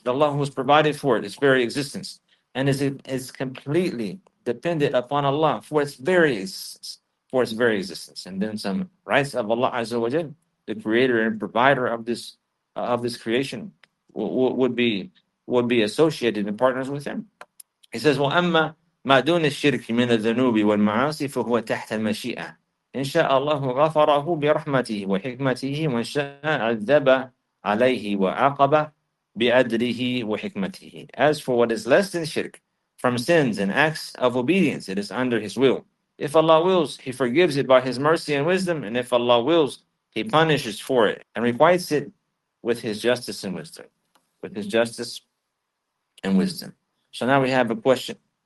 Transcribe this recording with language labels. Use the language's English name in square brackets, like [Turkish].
[English] The Allah who has provided for it, its very existence. And is completely dependent upon Allah for its very existence. For its very existence. And then some rights of Allah Azza wa Jal, the creator and provider of this creation, would be associated and partners with him. He says, [Arabic] Wa amma. ما دون الشرك من الذنوب والمعاصي فهو تحت المشيئة إن شاء الله غفره برحمته وحكمته وإن شاء عذب عليه وعاقب بأدله وحكمته. [English] As for what is less than shirk, from sins and acts of obedience, it is under His will. If Allah wills, He forgives it by His mercy and wisdom, and if Allah wills, He punishes for it and requites it with His justice and wisdom. With His justice and wisdom. So now we have a question.